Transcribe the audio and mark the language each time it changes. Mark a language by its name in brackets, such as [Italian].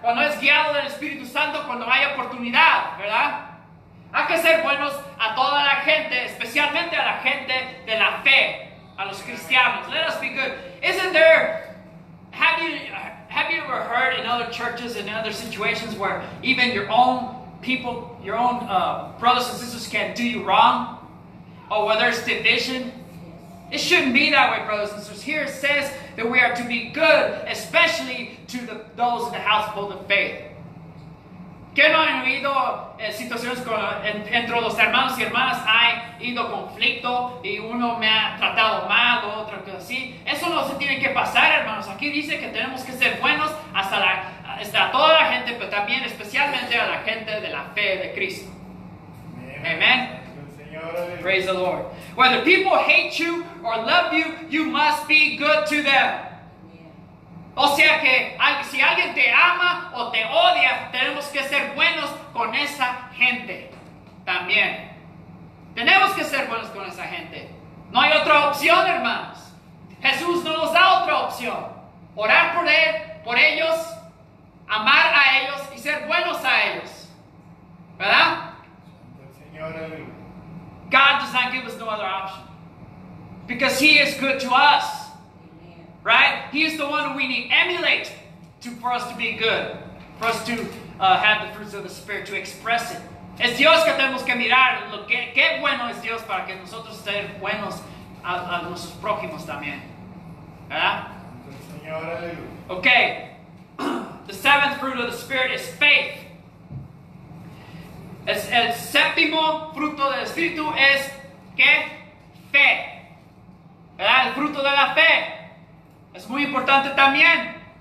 [Spanish] Cuando es guiado del Espíritu Santo, cuando hay oportunidad, ¿verdad? Hay que ser buenos a toda la gente, especialmente a la gente de la fe, a los cristianos. [English] Let us be good. Isn't there, have you ever heard in other churches and other situations where even your own people, your own brothers and sisters can do you wrong? Oh, well, there's division. It shouldn't be that way, brothers and sisters. Here it says that we are to be good, especially to those in the household of faith. [Spanish] ¿Qué no han oído situaciones entre los hermanos y hermanas? Hay ido conflicto y uno me ha tratado mal, otro que así. Eso no se tiene que pasar, hermanos. Aquí dice que tenemos que ser buenos hasta toda la gente, pero también especialmente a la gente de la fe de Cristo. Amén. [English] Praise the Lord. Whether people hate you or love you, you must be good to them. [Spanish] O sea que si alguien te ama o te odia, tenemos que ser buenos con esa gente también. Tenemos que ser buenos con esa gente. No hay otra opción, hermanos. Jesús no nos da otra opción. Orar por él, por ellos, amar a ellos y ser buenos a ellos. ¿Verdad? Señor, [English] God does not give us no other option. Because he is good to us. Amen. Right? He is the one we need emulate to for us to be good. For us to have the fruits of the Spirit, to express it. [Spanish] Es Dios que tenemos que mirar. Qué bueno es Dios para que nosotros ser buenos a nuestros prójimos también. ¿Verdad? Okay. [English] The seventh fruit of the Spirit is faith. [Spanish] El séptimo fruto del Espíritu es ¿qué? Fe. ¿Verdad? El fruto de la fe. Es muy importante también.